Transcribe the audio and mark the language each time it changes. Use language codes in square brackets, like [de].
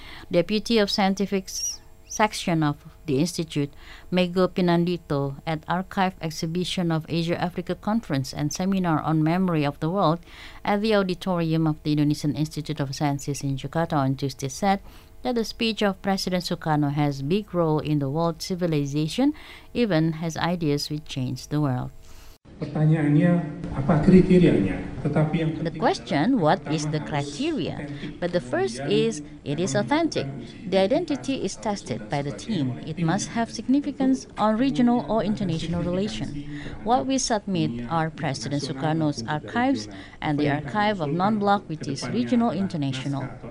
[en] Deputy of Scientific Section of the Institute, Mego Pinandito, at Archive Exhibition of Asia-Africa Conference and Seminar on Memory of the World at the Auditorium of the Indonesian Institute of Sciences in Jakarta on Tuesday said that the speech of President Sukarno has big role in the world civilization, even has ideas which change the world. [id] Pertanyaannya, apa kriterianya? Tetapi yang [en] the question, what is the criteria? But the first is, it is authentic. The identity is tested by the team. It must have significance on regional or international relation. What we submit are President Sukarno's archives and the archive of non-bloc, which is regional international.